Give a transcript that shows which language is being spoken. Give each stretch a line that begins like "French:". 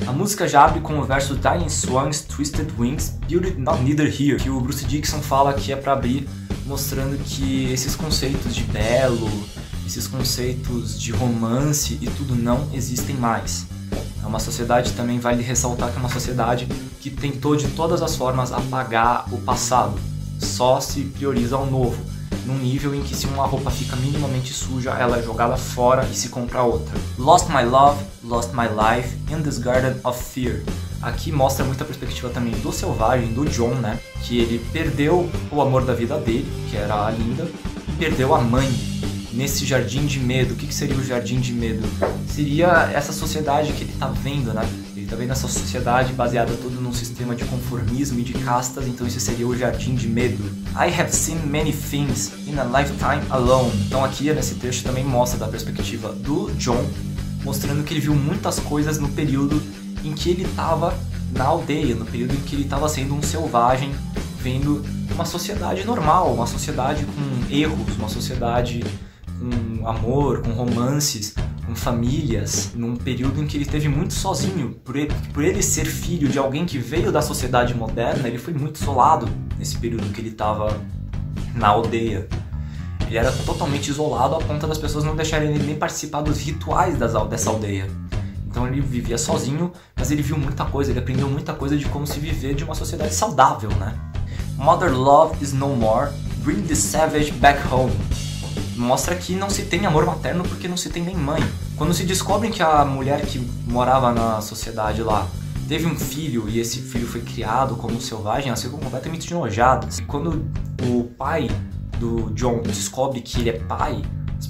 Portuguese: A música já abre com o verso
English: Dying Swans, Twisted Wings, Beauty Not Neither Here,
Portuguese: que o Bruce Dickinson fala que é pra abrir mostrando que esses conceitos de belo, esses conceitos de romance e tudo não existem mais. É uma sociedade, também vale ressaltar que é uma sociedade que tentou de todas as formas apagar o passado, só se prioriza ao novo. Num nível em que se uma roupa fica minimamente suja, ela é jogada fora e se compra outra.
English: Lost my love, lost my life, in this garden of fear.
Portuguese: Aqui mostra muita perspectiva também do selvagem, do John, né? Que ele perdeu o amor da vida dele, que era a Linda, e perdeu a mãe nesse jardim de medo. O que seria o jardim de medo? Seria essa sociedade que ele tá vendo, né? Ele tá vendo essa sociedade baseada todo num sistema de conformismo e de castas, então esse seria o jardim de medo.
English: I have seen many things in a lifetime alone.
Portuguese: Então aqui, nesse trecho, também mostra da perspectiva do John, mostrando que ele viu muitas coisas no período em que ele tava na aldeia, no período em que ele tava sendo um selvagem, vendo uma sociedade normal, uma sociedade com erros, uma sociedade com amor, com romances, com famílias, num período em que ele esteve muito sozinho. Por ele ser filho de alguém que veio da sociedade moderna, ele foi muito isolado nesse período que ele estava na aldeia. Ele era totalmente isolado a ponto das pessoas não deixarem ele nem participar dos rituais dessa aldeia. Então ele vivia sozinho, mas ele viu muita coisa, ele aprendeu muita coisa de como se viver de uma sociedade saudável, né?
English: Mother love is no more, bring the savage back home.
Portuguese: Mostra que não se tem amor materno porque não se tem nem mãe. Quando se descobre que a mulher que morava na sociedade lá teve um filho e esse filho foi criado como selvagem, elas ficam completamente enojadas. E quando o pai do John descobre que ele é pai, as